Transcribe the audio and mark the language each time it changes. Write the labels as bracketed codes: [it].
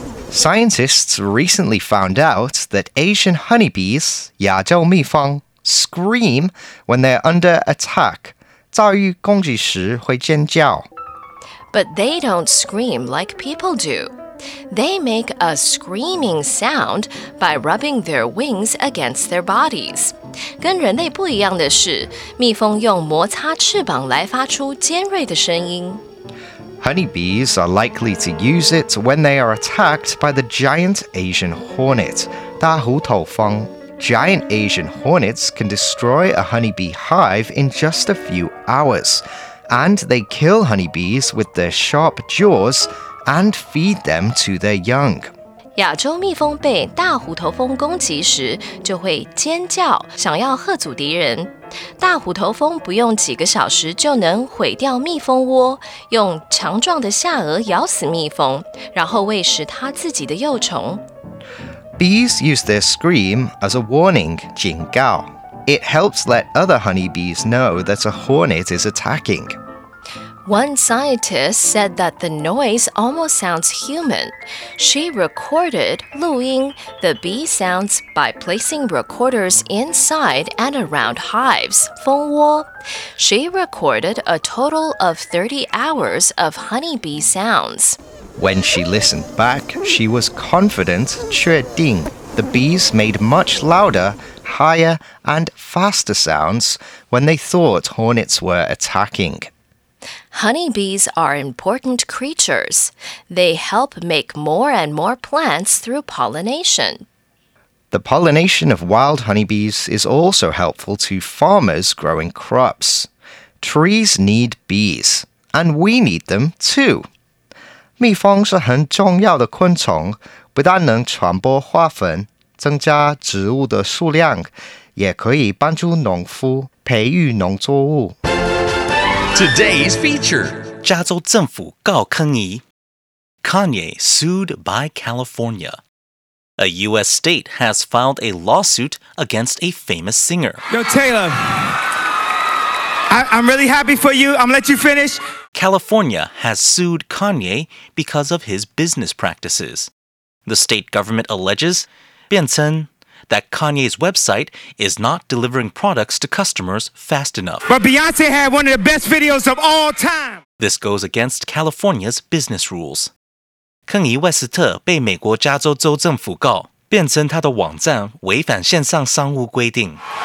[en] Scientists recently found out that Asian honeybees, 亚洲蜜蜂, scream when they're under attack. [zh] 遭遇攻击时会尖叫。 [en] But they don't scream like people do. They make a screaming sound by rubbing their wings against their bodies. [zh] 跟人类不一样的是，蜜蜂用摩擦翅膀来发出尖锐的声音。 [en] Honeybees are likely to use it when they are attacked by the giant Asian hornet, 大胡头蜂。 Giant Asian hornets can destroy a honeybee hive in just a few hours, and they kill honeybees with their sharp jaws and feed them to their young. [zh] 亚洲蜜蜂被大虎头蜂攻击时就会尖叫想要吓阻敌人大虎头蜂不用几个小时就能毁掉蜜蜂窝用强壮的下颚咬死蜜蜂然后喂食它自己的幼虫 [en] Bees use their scream as a warning 警告 It helps let other honeybees know that a hornet is attacking One scientist said that the noise almost sounds human. She recorded, 录音, the bee sounds by placing recorders inside and around hives, 蜂窝. She recorded a total of 30 hours of honeybee sounds. When she listened back, she was confident, 确定, the bees made much louder, higher, and faster sounds when they thought hornets were attacking. Honeybees are important creatures. They help make more and more plants through pollination. The pollination of wild honeybees is also helpful to farmers growing crops. Trees need bees, and we need them too. [zh] 蜜蜂是很重要的昆虫，不但能传播花粉，增加植物的数量，也可以帮助农夫培育农作物。 [en] Today's feature. [zh] 加州政府告坑仪。 [en] Kanye sued by California. A U.S. state has filed a lawsuit against a famous singer. Yo, Taylor. I'm really happy for you. I'm gonna let you finish. California has sued Kanye because of his business practices. The state government alleges, 变成that Kanye's website is not delivering products to customers fast enough. But Beyonce had one of the best videos of all time! This goes against California's business rules. [zh] 坑仪威斯特被美国加州州政府告，辩称他的网站违反线上商务规定。